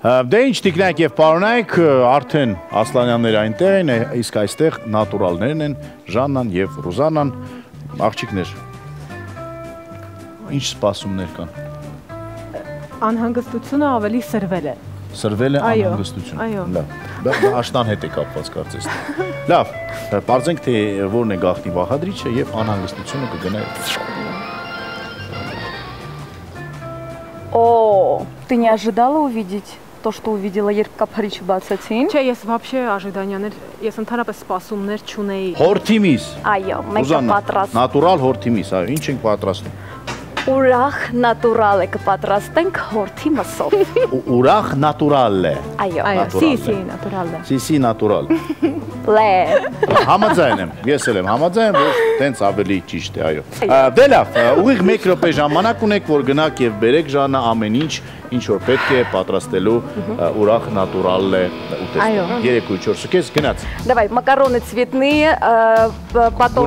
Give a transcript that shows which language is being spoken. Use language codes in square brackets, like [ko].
[hy] Դե ինչ տիկնայք և պարոնայք, արդեն Ասլանյաններ այնտեղ են, իսկ այստեղ նատուրալներն են, Ժաննան և Ռուզաննան, աղջիկներ, ինչ սպասումներ կան։ Անհանգստությունը ավելի սրվել է։ Սրվել է անհանգստությունը, աշնան հետ է կապված կարծես, լավ, պարձենք թե որն է գաղտնի վախադրիչը և անհանգստությունը կգնա։ [ru] Օ, ты не ожидала увидеть то, что увидела, [hy] երբ կափարիչը բացեցին։ Չէ, ես [ru] вообще [hy] ожиданияներ, ես ընդհանրապես սպասումներ չունեի։ Հորթիմիս։ Այո, մենք պատրաստենք։ Նատուրալ հորթիմիս, այո, ինչ ենք պատրաստում։ Ուրախ նատուրալ է կպատրաստենք հորթիմսով։ Ուրախ նատուրալ է։ Այո, սիսի նատուրալ է։ Սիսի նատուրալ։ Լե։ Համաձայն եմ, ես էլ եմ համաձայն, որ տենց ավելի ճիշտ է, այո։ Դե լավ, ուղիղ 1 րոպե ժամանակ ունեք, որ գնաք եւ բերեք Ժաննա ամեն ինչ, ինչ որ պետք է պատրաստելու ուրախ նատուրալ է ուտեստը։ 3-4 կես գնաց։ [ru] Давай, макароны цветные, потом